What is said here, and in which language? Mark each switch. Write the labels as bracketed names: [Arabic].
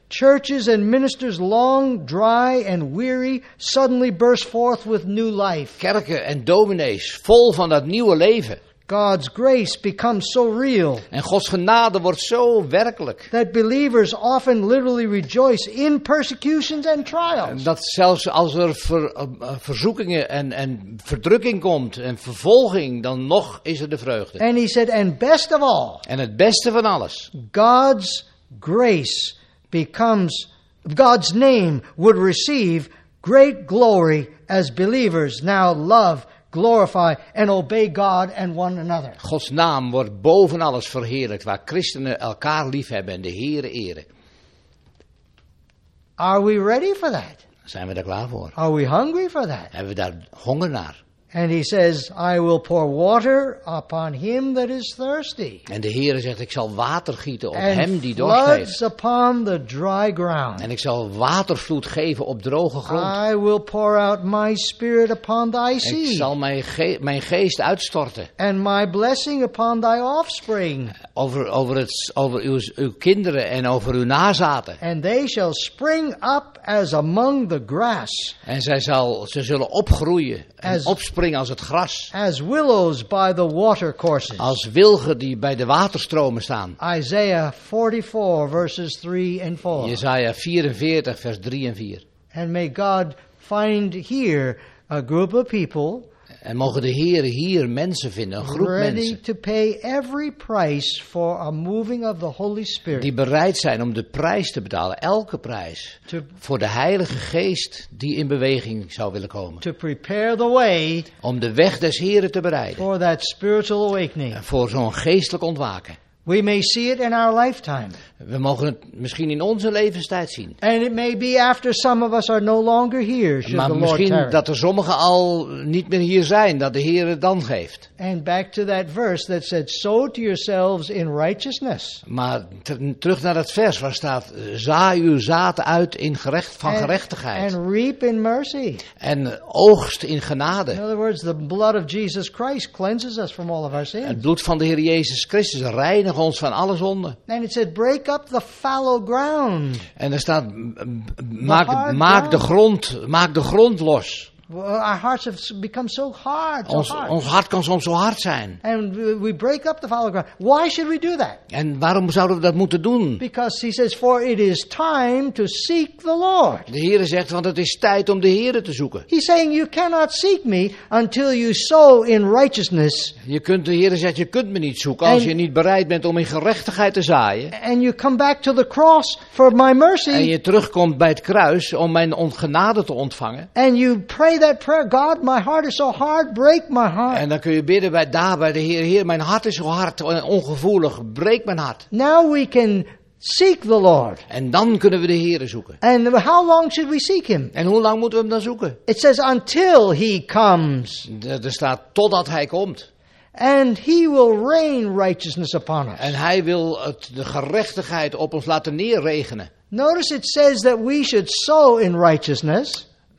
[English] Churches and ministers long dry and weary suddenly burst forth with new life. [Dutch] Kerken en dominees vol van dat nieuwe leven. [English] God's grace becomes so real. [Dutch] En Gods genade wordt zo werkelijk. [English] That believers often literally rejoice in persecutions and trials. [Dutch] En dat zelfs als er verzoekingen en verdrukking komt en vervolging, dan nog is er de vreugde. [English] And he said, and best of all. [Dutch] En het beste van alles. [English] God's grace becomes, God's name would receive great glory as believers now love, glorify and obey God and one another. [Dutch] Gods naam wordt boven alles verheerlijkt waar christenen elkaar liefhebben en de Heere eren. [English] Are we ready for that? [Dutch] Zijn we daar klaar voor? [English] Are we hungry for that? [Dutch] Hebben we daar honger naar? [English] And he says, I will pour water upon him that is thirsty. [Dutch] En de Heere zegt, ik zal water gieten op [English] and [Dutch] hem die dorst heeft. [English] Floods upon the dry ground. [Dutch] En ik zal watervloed geven op droge grond. [English] I will pour out my spirit upon thy seed. [Dutch] Ik zal mijn geest uitstorten. [English] And my blessing upon thy offspring. [Dutch] Over uw kinderen en over uw nazaten. [English] And they shall spring up as among the grass. [Dutch] En ze zullen opgroeien en opspringen als het gras. [English] As willows by the watercourses. [Dutch] Als wilgen die bij de waterstromen staan. [English] Isaiah 44 verses 3 and 4. [Dutch] Jesaja 44 vers 3 en 4. [English] And may God find here a group of people. [Dutch] En mogen de Heer hier mensen vinden, een groep [English] ready [Dutch] mensen. [English] To pay every price for a moving of the Holy Spirit. [Dutch] Die bereid zijn om de prijs te betalen, elke prijs. Voor de Heilige Geest die in beweging zou willen komen. [English] To prepare the way. [Dutch] Om de weg des Heren te bereiden. [English] For that spiritual awakening. [Dutch] Voor zo'n geestelijk ontwaken. [English] We may see it in our lifetime. [Dutch] We mogen het misschien in onze levenstijd zien. [English] And it may be after some of us are no longer here, should [Dutch] maar [English] the [Dutch] Lord misschien [English] tarry. [Dutch] Dat er sommigen al niet meer hier zijn, dat de Heer het dan geeft. [English] And back to that verse that said, sow to yourselves in righteousness. [Dutch] Maar terug naar dat vers waar staat, zaai uw zaad uit in gerechtigheid. [English] And reap in mercy. [Dutch] En oogst in genade. [English] In other words, the blood of Jesus Christ cleanses us from all of our sins. [Dutch] Het bloed van de Heer Jezus Christus reinigt. Ons van alle zonden. [English] And it said, break up the fallow ground. [Dutch] En er staat, maak de grond los. [English] Our hearts have become so hard. [Dutch] Ons hart kan soms zo hard zijn. [English] And we break up the fallow ground. Why should we do that? [Dutch] En waarom zouden we dat moeten doen? [English] Because he says, for it is time to seek the Lord. [Dutch] De Heere zegt, want het is tijd om de Heere te zoeken. [English] He's saying, you cannot seek me until you sow in righteousness. [Dutch] Je kunt me niet zoeken als je niet bereid bent om in gerechtigheid te zaaien. [English] And you come back to the cross for my mercy. [Dutch] En je terugkomt bij het kruis om mijn ongenade te ontvangen. [English] And you pray that prayer, God, my heart is so hard, break my heart. [Dutch] En dan kun je bidden bij daar bij de Heer, mijn hart is zo hard en ongevoelig, breek mijn hart. [English] Now we can seek the Lord. [Dutch] En dan kunnen we de Heere zoeken. [English] And how long should we seek him? [Dutch] En hoe lang moeten we hem dan zoeken? [English] It says until he comes. [Dutch] Er staat totdat hij komt. [English] And he will rain righteousness upon us. [Dutch] En hij wil de gerechtigheid op ons laten neerregenen. [English] Notice it says that we should sow in righteousness.